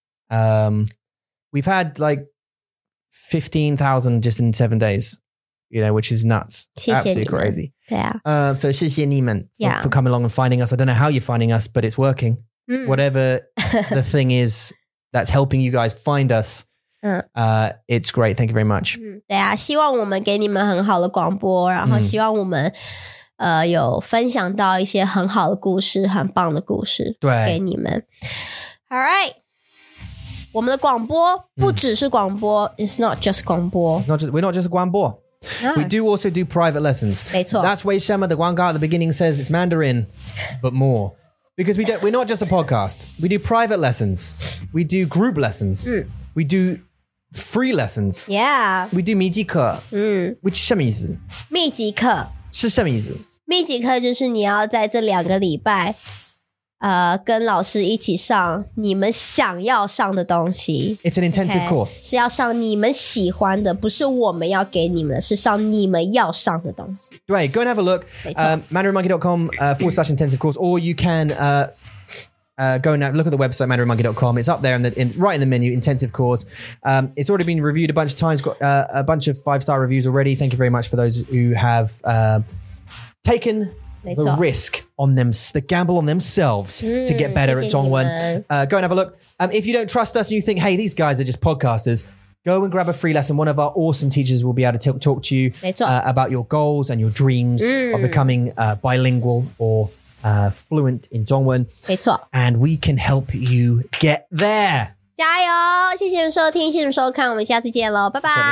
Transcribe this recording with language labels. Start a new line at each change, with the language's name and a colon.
English: We've had like 15,000 just in 7 days, you know, which is nuts.
Chinese: 谢谢你们.
English: Absolutely crazy. Yeah. So
Chinese: 谢谢你们
English: for coming along and finding us. I don't know how you're finding us, but it's working. Mm. Whatever the thing is that's helping you guys find us, it's great. Thank you very much.
Chinese: 对啊,希望我们给你们很好的广播,然后希望我们... 有分享到一些很好的故事,很棒的故事给你们。 Alright, 我们的广播不只是广播,
English: it's not just
Chinese: 广播。
English: We're not just 广播, we do also do private lessons.
Chinese: 没错。
English: That's Wei Shema, the 广告 at the beginning says it's Mandarin, but more. Because we're not just a podcast, we do private lessons, we do group lessons, we do... free lessons. Yeah. We do 密集课.Which is
Chinese: 什么意思? 密集课. 是什么意思? 密集课就是你要在这两个礼拜 跟老师一起上你们想要上的东西。
English: It's an intensive course.
Chinese: 是要上你们喜欢的, 不是我们要给你们, 是上你们要上的东西。
English: Right, go and have a look. MandarinMonkey.com / intensive course, or you can... go now, look at the website, mandarinmonkey.com. It's up there right in the menu, intensive course. It's already been reviewed a bunch of times, got a bunch of 5-star reviews already. Thank you very much for those who have taken the risk on them, the gamble on themselves to get better at Zhongwen. Go and have a look. If you don't trust us and you think, hey, these guys are just podcasters, go and grab a free lesson. One of our awesome teachers will be able to talk to you about your goals and your dreams of becoming bilingual or fluent in Zhongwen.
Chinese: 没错.
English: And we can help you get there.
Chinese: 加油！谢谢收听，谢谢收看，我们下次见喽，拜拜。